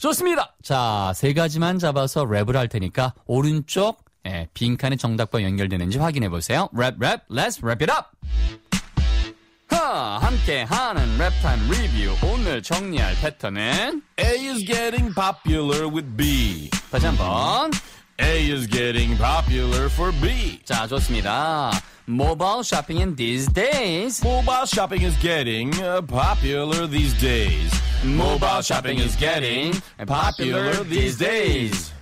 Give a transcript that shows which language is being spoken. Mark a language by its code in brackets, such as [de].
[ko] 좋습니다. 자, 세 가지만 잡아서 랩을 할 테니까 오른쪽 빈칸의 정답과 연결되는지 확인해 보세요. [en] Rap, rap, let's wrap it up. [ko] 함께하는 랩타임 리뷰 오늘 정리할 패턴은 [en] A is getting popular with B [ko] 다시 한번 [en] A is getting popular for B [ko] 자 좋습니다 [en] Mobile shopping in these days Mobile shopping is getting popular these days Mobile shopping is getting popular these days